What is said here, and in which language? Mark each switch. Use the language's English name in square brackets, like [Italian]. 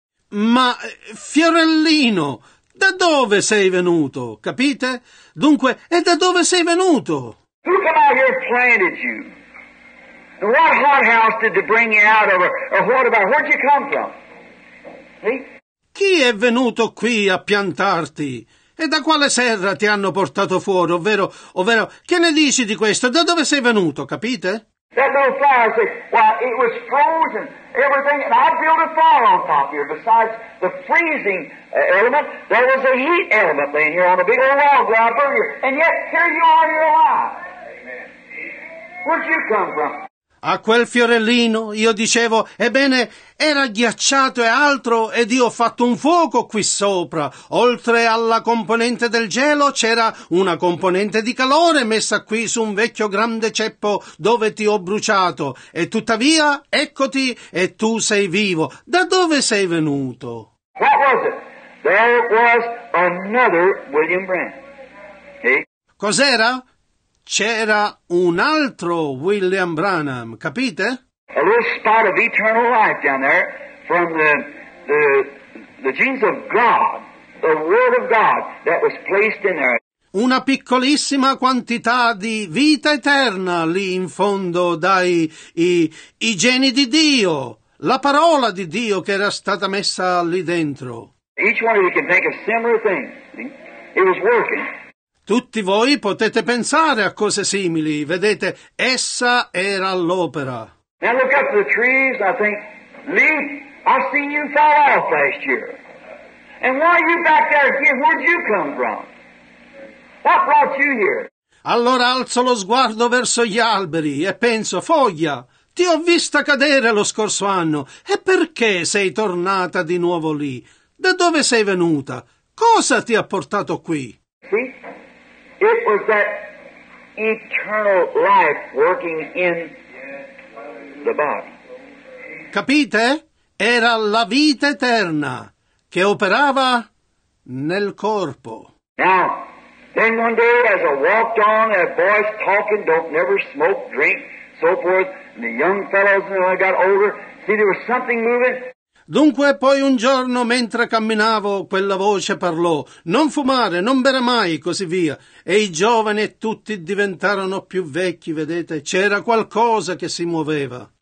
[Italian] Ma Fiorellino, da dove sei venuto? Capite? Dunque, e da dove sei venuto? [English] Who came out here and planted you? What hothouse did they bring you out of? Or what about? Where'd you come from? [Italian] Chi è venuto qui a piantarti? E da quale serra ti hanno portato fuori? Ovvero, che ne dici di questo? Da dove sei venuto? Capite? [English] That little fire, say, well, it was frozen, everything, and I built a fire on top here. Besides the freezing element, there was a heat element laying here on a big old log where I burned here. And yet, here you are, here alive. Where'd you come from? [Italian] A quel Fiorellino, io dicevo, ebbene, era ghiacciato e altro, ed io ho fatto un fuoco qui sopra. Oltre alla componente del gelo, c'era una componente di calore messa qui su un vecchio grande ceppo dove ti ho bruciato. E tuttavia, eccoti, e tu sei vivo. Da dove sei venuto? [English] What was it? There was another William Brandt. Okay. [Italian] Cos'era? C'era un altro William Branham, capite? [English] A little spot of eternal life down there from the genes of God, the word of God that was placed in there. [Italian] Una piccolissima quantità di vita eterna lì in fondo dai i geni di Dio, la parola di Dio che era stata messa lì dentro. [English] Each one of you can make a similar thing. It was working. [Italian] Tutti voi potete pensare a cose simili, vedete, essa era all'opera. [English] Now look up to the trees, I think, Lee, I've seen you fall off last year. And why are you back there again? Where'd you come from? What brought you here? [Italian] Allora alzo lo sguardo verso gli alberi e penso, foglia, ti ho vista cadere lo scorso anno, e perché sei tornata di nuovo lì? Da dove sei venuta? Cosa ti ha portato qui? Sì. [English] It was that eternal life working in the body. [Italian] Capite? Era la vita eterna che operava nel corpo. [English] Now, then one day as I walked on, a voice talking, don't never smoke, drink, so forth, and the young fellows, and when I got older, see there was something moving. [Italian] Dunque, poi un giorno, mentre camminavo, quella voce parlò, non fumare, non bere mai, così via. E i giovani e tutti diventarono più vecchi, vedete, c'era qualcosa che si muoveva.